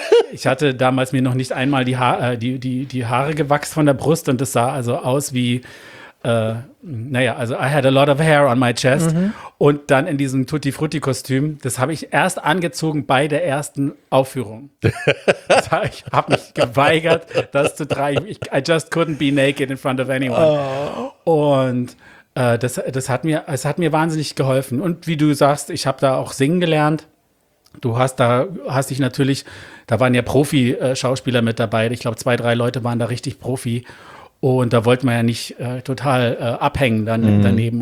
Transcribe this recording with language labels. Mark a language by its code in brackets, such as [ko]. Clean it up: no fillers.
[de] Ich hatte damals mir noch nicht einmal die Haare gewachsen von der Brust und es sah also aus wie, [en] I had a lot of hair on my chest. [de] Mhm. Und dann in diesem Tutti-Frutti-Kostüm, das habe ich erst angezogen bei der ersten Aufführung. Ich habe mich geweigert, das zu tragen. [en] I just couldn't be naked in front of anyone. Oh. [de] Und das hat mir wahnsinnig geholfen. Und wie du sagst, ich habe da auch singen gelernt. Du hast dich natürlich, da waren ja Profi-Schauspieler mit dabei. Ich glaube, 2, 3 Leute waren da richtig Profi. Und da wollte man ja nicht total abhängen dann daneben.